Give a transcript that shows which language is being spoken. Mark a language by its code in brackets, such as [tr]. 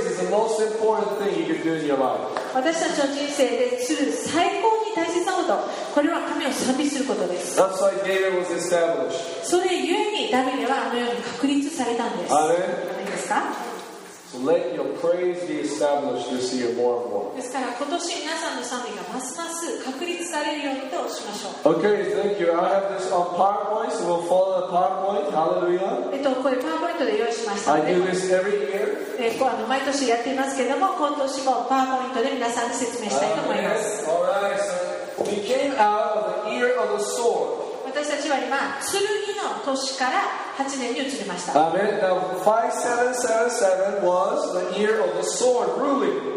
[en] most important thing you can do in your life. [ja] 私たちの人生でする最高に大切なこと、これは神を賛美することです。 [en] That's why David was established. [ja] それゆえにダビデはあのように確立されたんです。 [en] Amen. [ja] いいですか。 [en] Let your praise be established this year more and more. [ja] ですから今年皆さんの賛美がますます確立されるようにとしましょう。 [en] Okay, thank you. I have this on PowerPoint, so we'll follow the PowerPoint. Hallelujah. [ja] これ PowerPoint で用意しましたので、 [en] I do this every year. [ja] 毎年やっていますけれども、今年も PowerPoint で皆さんに説明したいと思います。 [en] All right, so we came out of the year of the sword. [ja] 私たちは今剣の年から8年に移りました。 [en] Amen. Now, 5777 was the year of the sword ruling.